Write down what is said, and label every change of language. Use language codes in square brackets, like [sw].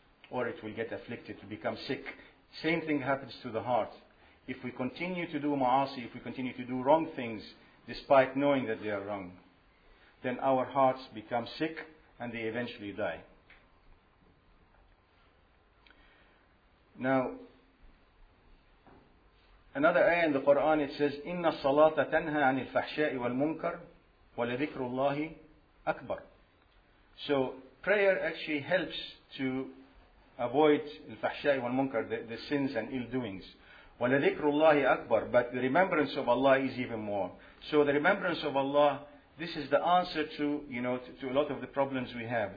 [en] Or it will get afflicted, to become sick. Same thing happens to the heart. If we continue to do ma'asi, if we continue to do wrong things, despite knowing that they are wrong, then our hearts become sick and they eventually die. Now, another ayah in the Quran, it says, [ar] إِنَّ الصَّلَاةَ تَنْهَى عَنِ الْفَحْشَاءِ وَالْمُنْكَرِ وَلَذِكْرُ اللَّهِ أَكْبَرِ. [en] So, prayer actually helps to avoid [ar] الْفَحْشَاءِ وَالْمُنْكَرِ, [en] the sins and ill doings. [ar] وَلَذِكْرُ اللَّهِ أَكْبَرِ, [en] but the remembrance of Allah is even more. So the remembrance of Allah, this is the answer to, you know, to a lot of the problems we have.